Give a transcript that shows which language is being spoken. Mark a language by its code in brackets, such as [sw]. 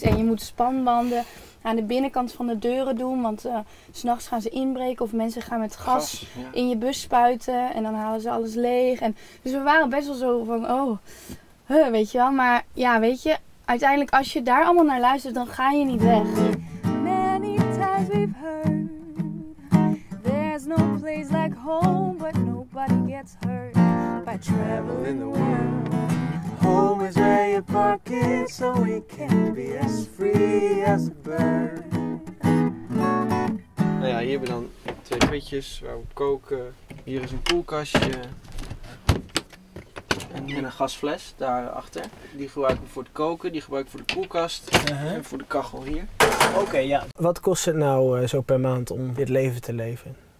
[nl] En je moet spanbanden aan de binnenkant van de deuren doen, want 's nachts gaan ze inbreken of mensen gaan met gas in je bus spuiten. En dan halen ze alles leeg. En dus we waren best wel zo van oh, weet je wel. Maar ja, weet je, uiteindelijk, als je daar allemaal naar luistert, dan ga je niet weg. [en] Many times we've heard, there's no place like home, but nobody gets hurt by traveling the world. Home is where you park it, so we can be as free as a bird. [nl] Nou ja, hier hebben we dan twee pitjes waar we koken. Hier is een koelkastje. En een gasfles daarachter. Die gebruiken we voor het koken, die gebruiken we voor de koelkast en voor de kachel hier. Oké, ja. Wat kost het nou zo per maand om dit leven te leven?